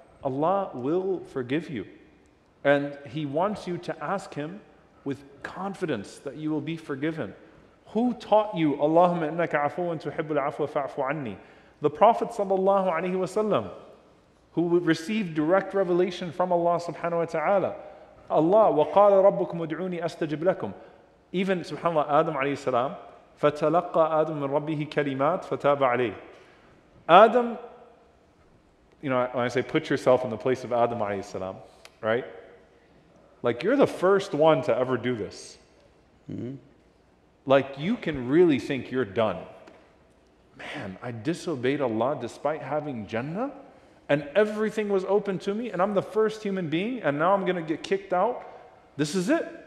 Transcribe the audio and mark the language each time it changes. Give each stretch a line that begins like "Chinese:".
English: Allah will forgive you. And He wants you to ask Him with confidence that you will be forgiven. Who taught you,
Arabic: Allahumma innaka afuwan tuhibbul afwa fa'afu anni?
English: The Prophet sallallahu alayhi wa sallam, who received direct revelation from Allah subhanahu wa ta'ala.
Arabic: Allah, وَقَالَ رَبُّكُمْ وَدْعُونِي أَسْتَجِبْ لَكُمْ. Even, subhanAllah, Adam alayhi salam, فَتَلَقَّى آدَمُ مِنْ رَبِّهِ كَلِمَاتٍ فَتَابَ عَلَيْهِ.
English: Adam, you know, when I say put yourself in the place of Adam alayhi salam, right? Like, you're the first one to ever do this. Mm-hmm. Like, you can really think you're done. Man, I disobeyed Allah despite having Jannah, and everything was open to me, and I'm the first human being, and now I'm going to get kicked out. This is it.